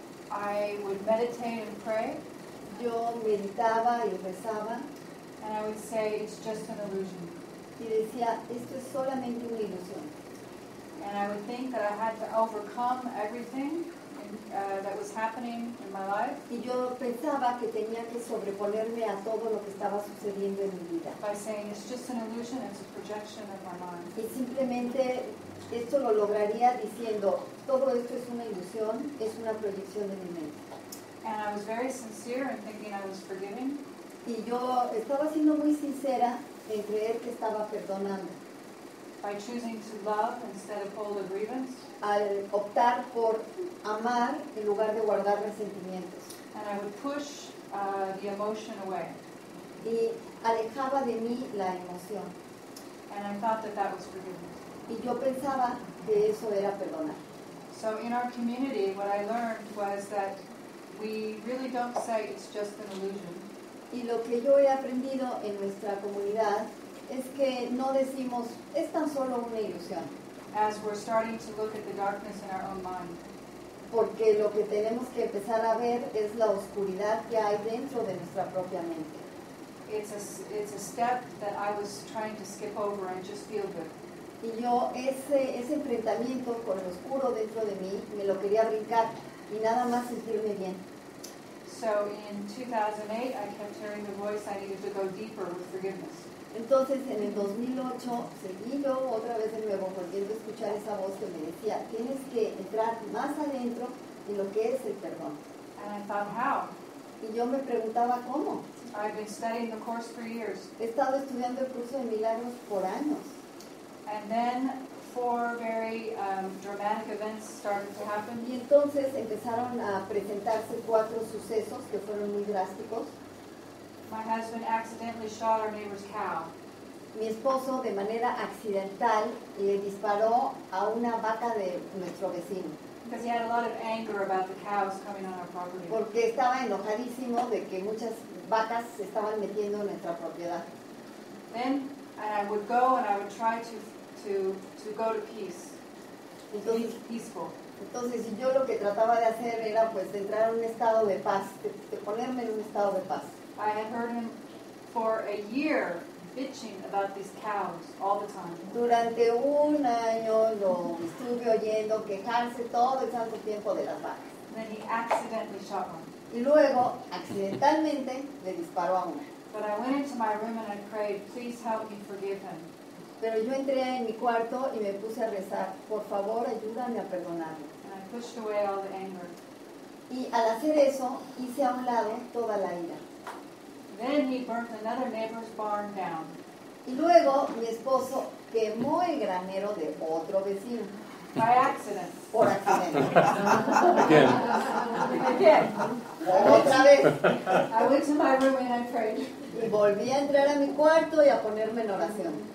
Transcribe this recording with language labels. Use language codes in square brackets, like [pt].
[en] I would meditate and pray. [es] Yo meditaba y rezaba. [en] And I would say, it's just an illusion. [es] Y decía, esto es solamente una ilusión. [en] And I would think that I had to overcome everything that was happening in my life. [es] Y yo pensaba que tenía que sobreponerme a todo lo que estaba sucediendo en mi vida. [en] By saying, it's just an illusion, it's a projection of my mind. [es] Y simplemente esto lo lograría diciendo, todo esto es una ilusión, es una proyección de mi mente. [en] And I was very sincere in thinking I was forgiving. [es] Y yo estaba siendo muy sincera en creer que estaba perdonando. [en] By choosing to love instead of hold a grievance. [es] Al optar por amar en lugar de guardar resentimientos. [en] And I would push the emotion away. [es] Y alejaba de mí la emoción. [en] And I thought that that was forgiveness. [es] Y yo pensaba que eso era perdonar. [en] So in our community, what I learned was that we really don't say it's just an illusion. [es] Y lo que yo he aprendido en nuestra comunidad es que no decimos, es tan solo una ilusión. [en] As we're starting to look at the darkness in our own mind. [es] Porque lo que tenemos que empezar a ver es la oscuridad que hay dentro de nuestra propia mente. [en] It's a step that I was trying to skip over and just feel good. [es] Y yo ese enfrentamiento con lo oscuro dentro de mí, me lo quería brincar y nada más sentirme bien. [en] So in 2008, I kept hearing the voice I needed to go deeper with forgiveness. [es] Entonces, en el 2008, seguí yo otra vez de nuevo volviendo a escuchar esa voz que me decía, tienes que entrar más adentro en lo que es el perdón. [en] And I thought, how? [es] Y yo me preguntaba, ¿cómo? [en] I've been studying the course for years. [es] He estado estudiando el curso de milagros por años. [en] And then 4 very dramatic events started to happen. [es] Y entonces empezaron a presentarse 4 sucesos que fueron muy drásticos. [en] My husband accidentally shot our neighbor's cow. [es] Mi esposo de manera accidental le disparó a una vaca de nuestro vecino. [en] Because he had a lot of anger about the cows coming on our property. [es] Porque estaba enojadísimo de que muchas vacas se estaban metiendo en nuestra propiedad. [en] Then I would go and I would try to go to peace. [es] Entonces, [en] peaceful. [es] Entonces yo lo que trataba de hacer era pues entrar en un estado de paz, de ponerme en un estado de paz. [en] I had heard him for a year bitching about these cows all the time. [es] Durante un año lo estuve oyendo quejarse todo el santo tiempo de las vacas. [en] Then he accidentally shot one. [es] Y luego, accidentalmente, le disparó a una. [en] But I went into my room and I prayed, please help me forgive him. [es] Pero yo entré en mi cuarto y me puse a rezar, por favor, ayúdame a perdonarlo. [en] And I pushed away all the anger. [es] Y al hacer eso, hice a un lado toda la ira. [en] Then he burnt another neighbor's barn down. [es] Y luego, mi esposo quemó el granero de otro vecino. [en] By accident. [es] Por accidente. [en] Again. [es] Otra vez. [en] I went to my room and I prayed. [es] Y volví a entrar a mi cuarto y a ponerme en oración.